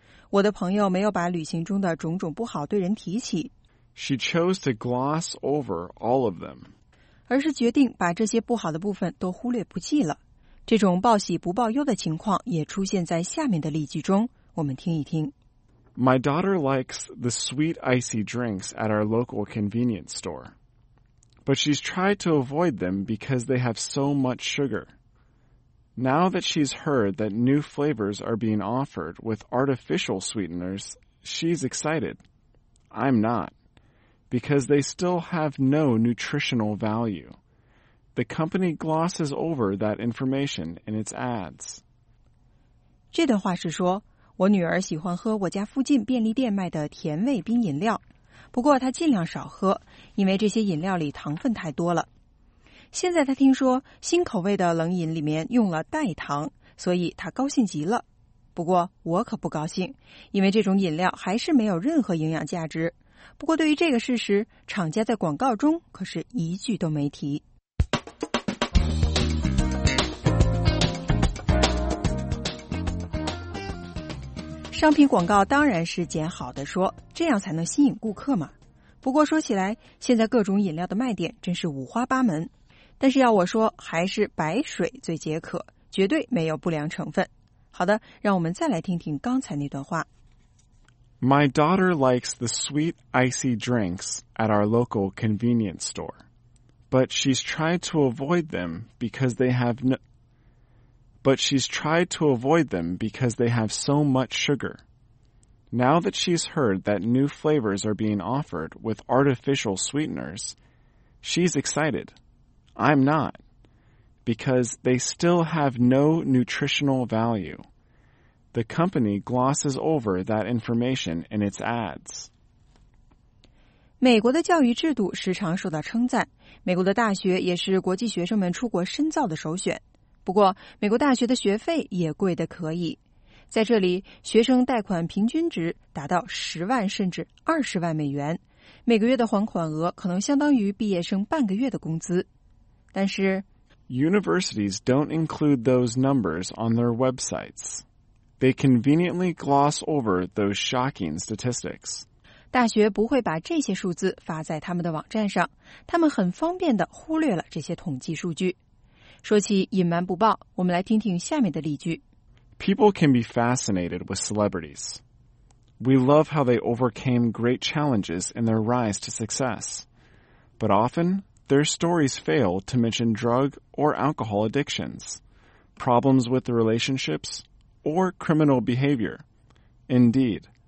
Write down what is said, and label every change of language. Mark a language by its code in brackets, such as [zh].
[zh] 我的朋友没有把旅行中的种种不好对人提起。 [en] She chose to gloss over all of them. [zh] 而是决定把这些不好的部分都忽略不计了。这种报喜不报忧的情况也出现在下面的例句中，我们听一听。 [en] My daughter likes the sweet icy drinks at our local convenience store, but she's tried to avoid them because they have so much sugar. Now that she's heard that new flavors are being offered with artificial sweeteners, she's excited. I'm not. Because they still have no nutritional value. The company glosses over that information in its ads. [zh] 这段话是说，我女儿喜欢喝我家附近便利店卖的甜味冰饮料，不过她尽量少喝，因为这些饮料里糖分太多了。现在她听说新口味的冷饮里面用了代糖，所以她高兴极了。不过我可不高兴，因为这种饮料还是没有任何营养价值。不过对于这个事实，厂家在广告中可是一句都没提。商品广告当然是捡好的说，这样才能吸引顾客嘛。不过说起来，现在各种饮料的卖点真是五花八门，但是要我说还是白水最解渴，绝对没有不良成分。好的，让我们再来听听刚才那段话。 [en] My daughter likes the sweet icy drinks at our local convenience store, but she's tried to avoid them because they have no, but she's tried to avoid them because they have so much sugar. Now that she's heard that new flavors are being offered with artificial sweeteners, she's excited. I'm not, because they still have no nutritional value. The company glosses over that information in its ads. [zh] 美国的教育制度时常受到称赞，美国的大学也是国际学生们出国深造的首选。不过，美国大学的学费也贵得可以。在这里，学生贷款平均值达到10万甚至20万美元，每个月的还款额可能相当于毕业生半个月的工资。但是 [en] ，Universities don't include those numbers on their websites. They conveniently gloss over those shocking statistics. [zh] 大学不会把这些数字发在他们的网站上，他们很方便地忽略了这些统计数据。说起隐瞒不报，我们来听听下面的例句。 [en] People can be fascinated with celebrities. We love how they overcame great challenges in their rise to success. But often, their stories fail to mention drug or alcohol addictions, problems with relationships,or criminal behavior. Indeed,